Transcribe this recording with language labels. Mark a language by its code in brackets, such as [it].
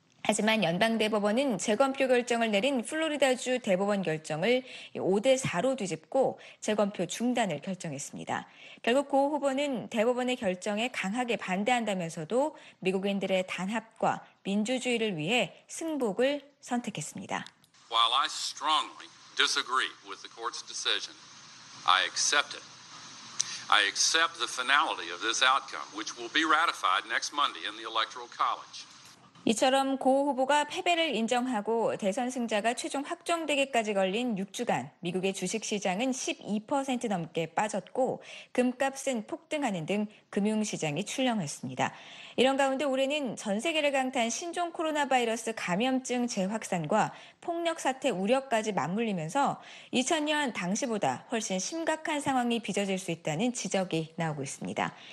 [ko] 하지만 연방대법원은 재검표 결정을 내린 플로리다주 대법원 결정을 5-4로 뒤집고 재검표 중단을 결정했습니다. 결국 고 후보는 대법원의 결정에 강하게 반대한다면서도 미국인들의 단합과 민주주의를 위해 승복을 선택했습니다. [en] While I strongly disagree with the court's decision, I accept it. I accept the finality of this outcome, which will be ratified next Monday in the Electoral College. [ko] 이처럼 고 후보가 패배를 인정하고 대선 승자가 최종 확정되기까지 걸린 6주간 미국의 주식시장은 12% 넘게 빠졌고 금값은 폭등하는 등 금융시장이 출렁했습니다. 이런 가운데 올해는 전 세계를 강타한 신종 코로나 바이러스 감염증 재확산과 폭력 사태 우려까지 맞물리면서 2000년 당시보다 훨씬 심각한 상황이 빚어질 수 있다는 지적이 나오고 있습니다.